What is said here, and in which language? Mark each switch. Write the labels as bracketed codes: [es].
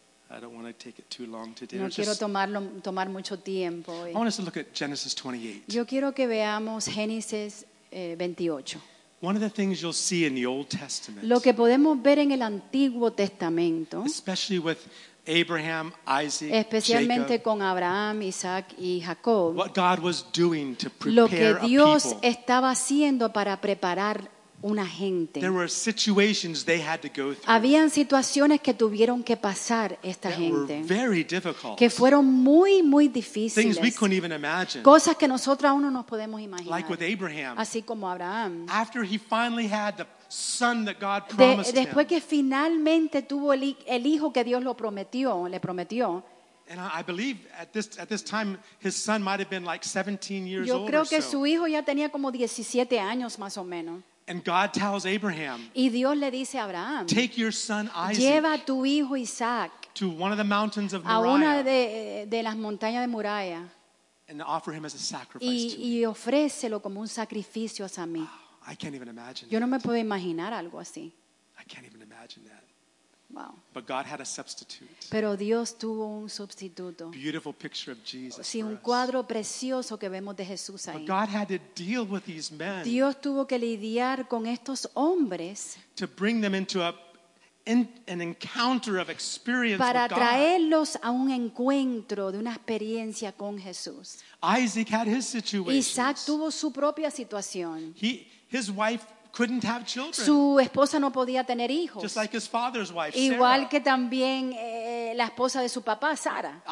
[en] I don't want to take it too long today. [es] No quiero tomar mucho tiempo. [en] I want us to look at Genesis 28. [es] Yo quiero que veamos Génesis 28. [en] One of the things you'll see in the Old Testament. [es] Lo que podemos ver en el Antiguo Testamento. [en] Especially with Abraham, Isaac, [es] especialmente [en] Jacob, [es] con Abraham, Isaac y Jacob. [en] What God was doing to prepare [es] lo que Dios [en] a people. [es] Estaba haciendo para preparar una gente. [en] There were situations they had to go through. [es] Habían situaciones que tuvieron que pasar esta [en] that [es] gente. [en] Were very difficult. [es] Que fueron muy muy difíciles. [en] Things we couldn't even imagine. [es] Cosas que nosotros aún no nos podemos imaginar. [en] Like with Abraham. [es] Así como Abraham. [en] After he finally had the son that God promised him. [es] Después que finalmente tuvo el hijo que Dios le prometió. [en] And I believe at this time his son might have been like 17 years old. [es] Yo creo que [en] so. [es] Su hijo ya tenía como 17 años más o menos. [en] And God tells Abraham. [es] Y Dios le dice a Abraham. [en] Take your son Isaac. [es] Lleva tu hijo Isaac. [en] To one of the mountains of [es] Moriah. A una de las montañas de Moriah. [en] And offer him as a sacrifice. [es] Y ofrécelo como un sacrificio a mí. [en] I can't even imagine. [es] Yo no me puedo imaginar algo así. [en] I can't even imagine that. Wow. But God had a substitute. [es] Pero Dios tuvo un sustituto. [en] Beautiful picture of Jesus. [es] Sí, un cuadro precioso que vemos de Jesús ahí. [en] But God had to deal with these men. [es] Dios tuvo que lidiar con estos hombres. [en] To bring them into an encounter of experience with God. [es] Para traerlos a un encuentro de una experiencia con Jesús. [en] Isaac had his situation. [es] Isaac tuvo su propia situación. [en] His wife couldn't have children. [es] Su esposa no podía tener hijos. [en] Just like his father's wife, [es] igual Sarah. Que también la esposa de su papá, Sara.